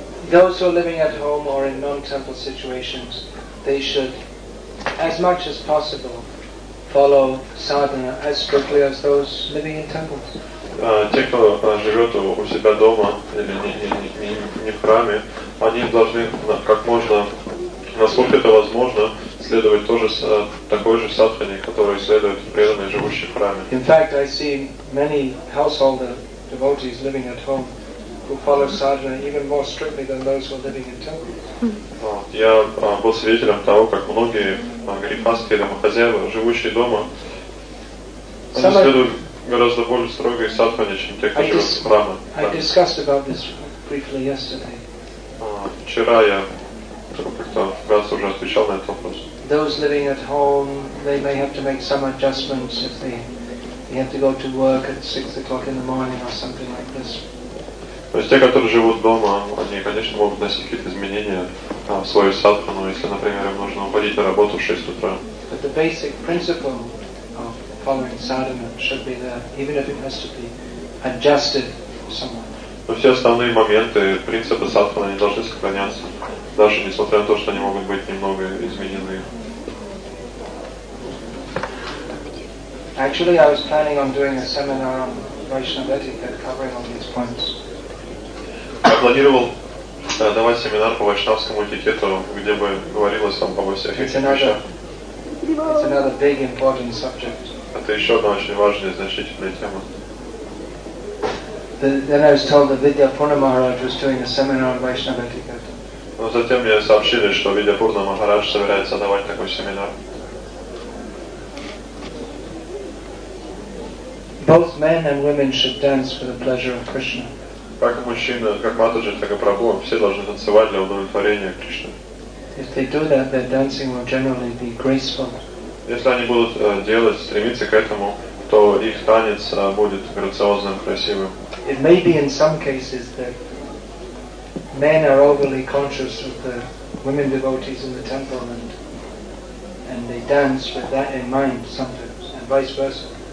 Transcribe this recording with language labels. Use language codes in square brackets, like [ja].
[en] Those who are living at home or in non-temple situations, they should, as much as possible, follow sadhana as strictly as those living in temples. [ru] те, кто живет у себя дома или не в храме, они должны как можно, насколько это возможно, следовать тоже такой же садхане, которую следуют преданные, живущие в храме. [en] In fact, I see many householder devotees living at home who follow sadhana even more strictly than those who are living in temples. [ru] Я был свидетелем того, как многие грихасты или домохозяева, живущие дома, они следуют гораздо более строгой садхане, чем те, кто живет в храме. [en] I discussed about this briefly yesterday. [ru] Вчера я как-то раз уже отвечал на этот вопрос. [en] Those living at home, they may have to make some adjustments if they have to go to work at 6 o'clock in the morning or something like this. [ru] То есть те, которые живут дома, они, конечно, могут носить какие-то изменения в свою садхану, если, например, им нужно уходить на работу в 6 утра. [en] But the basic principle of following sadhana should be there, even if it has to be adjusted somewhat. [ru] Но все основные моменты, принципы садхана, они должны сохраняться, даже несмотря на то, что они могут быть немного изменены. [en] Actually, I was planning on doing a seminar on Vaishnava etiquette covering all these points. [ru] Я планировал давать семинар по вайшнавскому этикету, где бы говорилось там обо всех этих вещах. Это еще одна очень важная и значительная тема. Но затем мне сообщили, что Видьяпурна Махарадж собирается давать такой семинар. [en] Both men and women should dance for the pleasure of Krishna. [ru] Как мужчина, как матаджи, так и прабху, все должны танцевать для удовлетворения Кришны. [en] If they do that, their dancing will generally be graceful. [ru] Если они будут делать, стремиться к этому, то их танец будет грациозным, красивым. [en] It may be in some cases that men are overly conscious of the women devotees in the temple and they dance with that in mind sometimes, and vice versa.